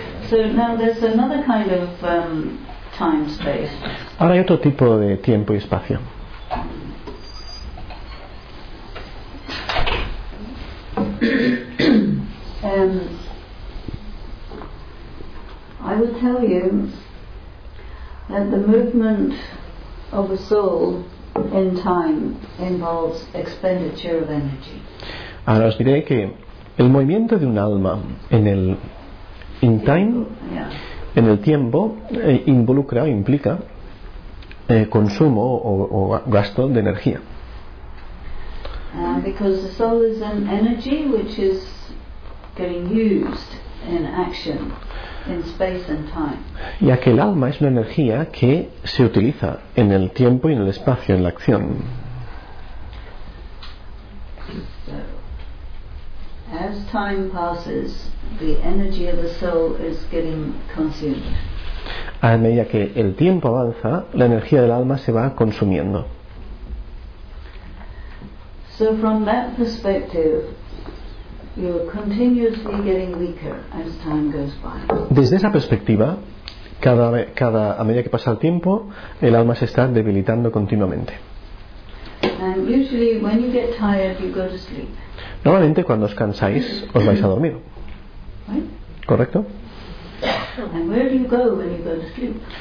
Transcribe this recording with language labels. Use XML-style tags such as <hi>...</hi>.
<en>So now there's another kind of time space.</en> <es>Ahora hay otro tipo de tiempo y espacio.</es> <en>I will tell you that the movement of a soul in time involves expenditure of energy.</en> <es>Ahora os diré que el movimiento de un alma en el</es> <en>in time, yeah,</en> <es>en el tiempo, involucra o implica consumo o gasto de energía.</es> <en>Because the soul is an energy which is getting used in action in space and time.</en> <es>Ya que el alma es una energía que se utiliza en el tiempo y en el espacio, en la acción.</es> <en>As time passes, the energy of the soul is getting consumed.</en> <es>A medida que el tiempo avanza, la energía del alma se va consumiendo.</es> <en>So from that perspective, you're continuously getting weaker as time goes by.</en> <es>Desde esa perspectiva, a medida que pasa el tiempo, el alma se está debilitando continuamente.</es> <en>And usually when you get tired, you go to sleep.</en> <es>Normalmente cuando os cansáis os vais a dormir. ¿Correcto?</es> <en>And where do you go when you go to sleep?</en>